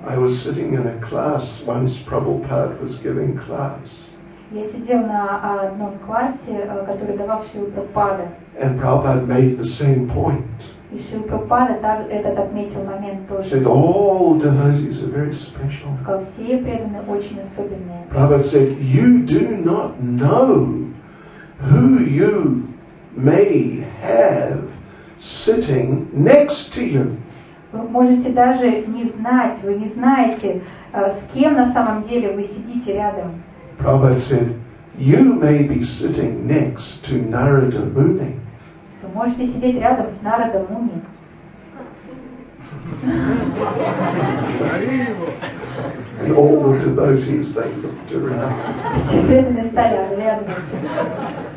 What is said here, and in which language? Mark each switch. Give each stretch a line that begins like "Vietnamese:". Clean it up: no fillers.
English: I was sitting in a class once Prabhupada was giving class.
Russian: Я сидел на одном классе, который давал Шрила Прабхупада.
English: And Prabhupada made the same point.
Russian: И Шрила Прабхупада этот отметил момент тоже.
English: Said all devotees are very special.
Russian: Сказал, все преданные очень особенные.
English: Prabhupada said, you do not know who you may have sitting next to you.
Russian: Вы можете даже не знать, вы не знаете, с кем на самом деле вы сидите рядом.
English: Prabhupada said, you may be sitting next to Narada Muni.
Russian: Вы можете сидеть рядом с Нарада Муни.
English: And all the devotees, they looked around.
Russian: Все преданные стали оглядываться.